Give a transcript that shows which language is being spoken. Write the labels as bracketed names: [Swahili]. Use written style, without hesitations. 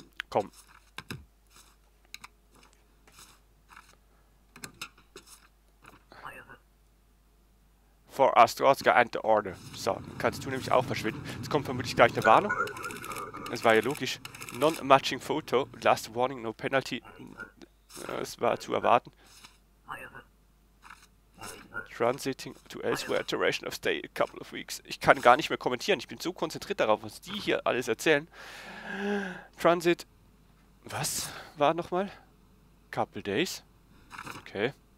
[German] Komm. [English] For Astrozka and the Order. [German] So, kannst du nämlich auch verschwinden. Es kommt vermutlich gleich eine Warnung. Es war ja logisch. [English] Non-matching photo. Last warning, no penalty. [German] Es war zu erwarten. [English] Transiting to elsewhere, duration of stay a couple of weeks. [German] Ich kann gar nicht mehr kommentieren. Ich bin so konzentriert darauf, was die hier alles erzählen. Transit. Was war nochmal? [English] Couple days. [German] Okay.